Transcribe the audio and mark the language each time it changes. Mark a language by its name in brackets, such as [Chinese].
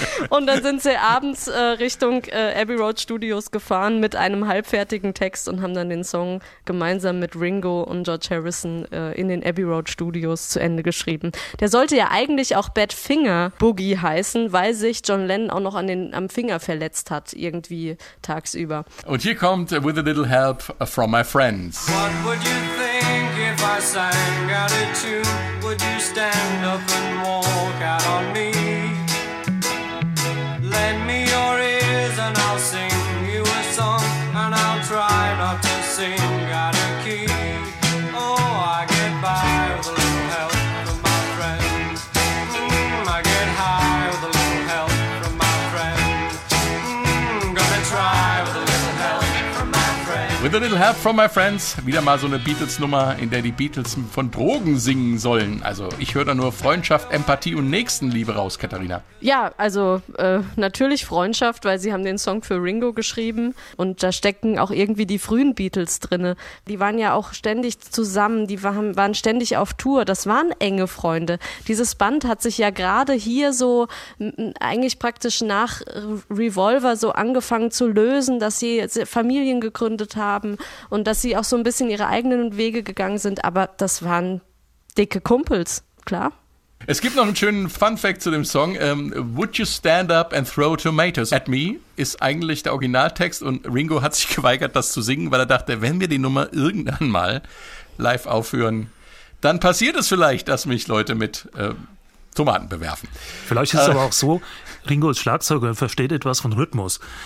[German] Und dann sind sie abends Richtung Abbey Road Studios gefahren mit einem halbfertigen Text und haben dann den Song gemeinsam mit Ringo und George Harrison in den Abbey Road Studios zu Ende geschrieben. Der sollte ja eigentlich auch Bad Finger Boogie heißen, weil sich John Lennon auch noch am Finger verletzt hat, irgendwie tagsüber. Und hier kommt With a Little Help from My Friends. [English] What would you think if I sang out a tune? Would you stand up and walk out on me? Lend me your ears and I'll sing you a song, and I'll try not to sing out of key. Oh, I get by with a little help from my friends. I get high with a little help from my friends. Gonna try with a little help from my friends. With a little help from my friends. [German] Wieder mal so eine Beatles-Nummer, in der die Beatles von Drogen singen sollen. Also ich höre da nur Freundschaft, Empathie und Nächstenliebe raus, Katharina. Ja, also natürlich Freundschaft, weil sie haben den Song für Ringo geschrieben und da stecken auch irgendwie die frühen Beatles drinne. Die waren ja auch ständig zusammen, die waren ständig auf Tour, das waren enge Freunde. Dieses Band hat sich ja gerade hier so eigentlich praktisch nach Revolver so angefangen zu lösen, dass sie Familien gegründet haben und dass sie auch so ein bisschen ihre eigenen Wege gegangen sind, aber das waren dicke Kumpels, klar. Es gibt noch einen schönen Fun-Fact zu dem Song. [English] Would you stand up and throw tomatoes at me? [German] Ist eigentlich der Originaltext und Ringo hat sich geweigert, das zu singen, weil er dachte, wenn wir die Nummer irgendwann mal live aufführen, dann passiert es vielleicht, dass mich Leute mit Tomaten bewerfen. Vielleicht ist es aber auch so, Ringo ist Schlagzeuger, versteht etwas von Rhythmus.